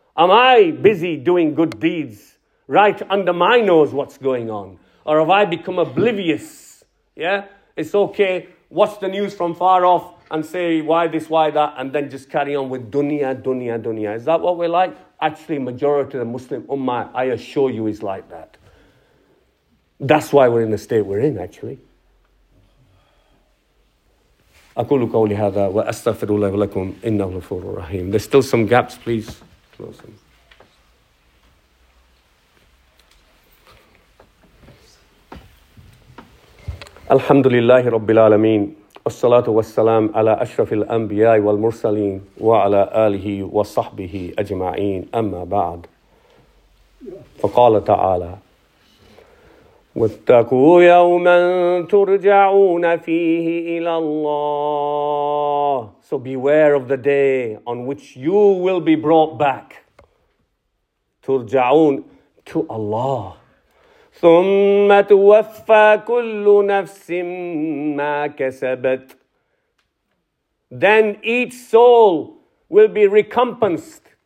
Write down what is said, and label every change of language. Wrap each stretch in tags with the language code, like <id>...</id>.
<en>Am I busy doing good deeds? Right under my nose, what's going on? Or have I become oblivious? Yeah? It's okay. Watch the news from far off and say, why this, why that, and then just carry on with dunya, dunya, dunya. Is that what we're like? Actually, majority of the Muslim ummah, I assure you, is like that. That's why we're in the state we're in, actually.</en> <ar>أقول قولي هذا وأستغفر الله لكم إنه غفور رحيم.</ar> <en>There's still some gaps, please. Close them.</en> <ar>الحمد لله رب العالمين والصلاة والسلام على أشرف الأنبياء والمرسلين وعلى آله وصحبه أجمعين أما بعد فقال تعالى واتقوا يوما ترجعون فيه إلى الله.</ar> <en>So beware of the day on which you will be brought back.</en> <ar>ترجعون</ar> <en>to Allah.</en> <ar>ثم توفى كل نفس ما كسبت.</ar> <en>Then each soul will be recompensed.</en>